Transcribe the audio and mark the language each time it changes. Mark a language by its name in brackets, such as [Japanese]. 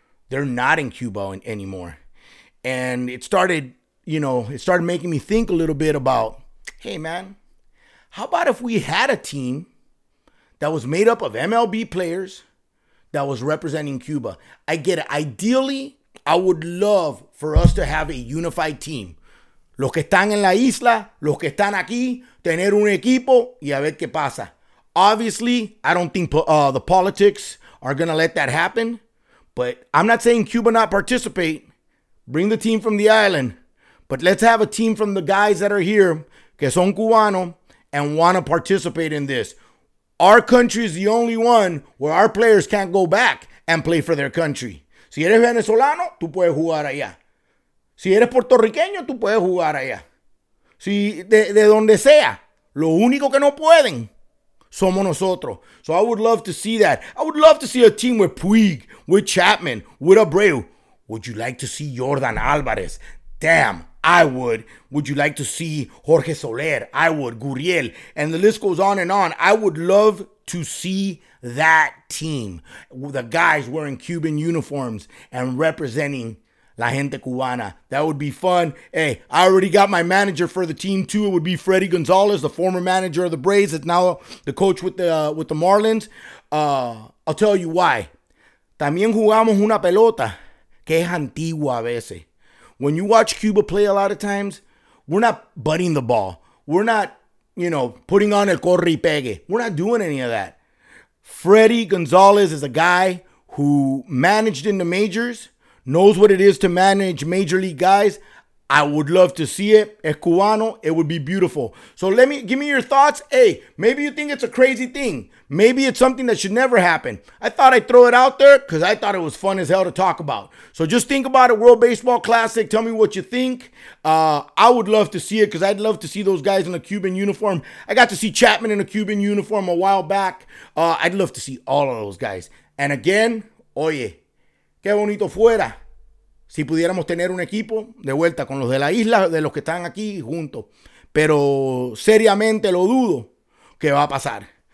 [English] They're not in Cuba anymore. And it started, you know, it started making me think a little bit about, hey, man, how about if we had a team that was made up of MLB players that was representing Cuba? I get it. Ideally, I would love for us to have a unified team. [Spanish] Los que están en la isla, los que están aquí, tener un equipo y a ver qué pasa. [English] Obviously, I don't think the politics are going to let that happen. But I'm not saying Cuba not participate. Bring the team from the island. But let's have a team from the guys that are here, [Spanish] que son cubano, [English] and want to participate in this. Our country is the only one where our players can't go back and play for their country. [Spanish] Si eres venezolano, tú puedes jugar allá. Si eres puertorriqueño, tú puedes jugar allá. Si de donde sea, lo único que no pueden somos nosotros. [English] So I would love to see that. I would love to see a team with Puig, with Chapman, with Abreu. Would you like to see Jordan Alvarez? Damn, I would. Would you like to see Jorge Soler? I would. Gurriel. And the list goes on and on. I would love to see that team. The guys wearing Cuban uniforms and representing La Gente Cubana. That would be fun. Hey, I already got my manager for the team too. It would be Freddy Gonzalez, the former manager of the Braves. That's now the coach with the Marlins. I'll tell you why. [Spanish] También jugamos una pelota que es antigua a veces. [English] When you watch Cuba play a lot of times, we're not butting the ball. We're not, you know, putting on [Spanish] el corre y pegue. [English] We're not doing any of that. Freddy Gonzalez is a guy who managed in the majors, knows what it is to manage major league guys. I would love to see it. [Spanish] Es cubano. [English] It would be beautiful. So give me your thoughts. Hey, maybe you think it's a crazy thing. Maybe it's something that should never happen. I thought I'd throw it out there because I thought it was fun as hell to talk about. So just think about it. World Baseball Classic. Tell me what you think. I would love to see it because I'd love to see those guys in a Cuban uniform. I got to see Chapman in a Cuban uniform a while back. I'd love to see all of those guys. And again, [Spanish] oye, qué bonito fuera. Si pudiéramos tener un equipo de vuelta con los de la isla, de los que están aquí juntos. pero seriamente lo dudo que va a pasar.